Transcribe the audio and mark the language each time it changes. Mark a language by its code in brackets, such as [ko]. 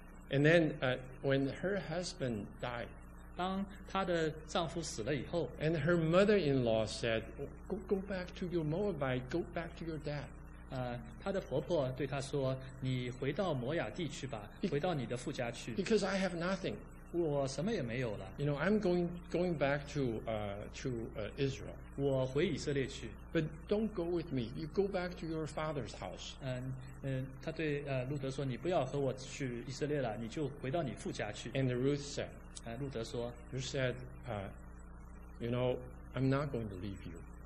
[en] And then, when her husband died, [zh] 当她的丈夫死了以后 [en] ，and her mother-in-law said, "Go back to your Moabite. Go back to your dad." [zh] 她的婆婆对她说，你回到摩亚地去吧，回到你的父家去。 [en] Because I have nothing. [zh] 我什么也没有了。 [en] You know, I'm going back to Israel. [zh] 我回以色列去。 [en] But don't go with me. You go back to your father's house. [zh] 她对路德说，你不要和我去以色列了，你就回到你父家去。 [en] And Ruth said, [zh] 路德说 [en] ，You said, you know, I'm not going to leave you.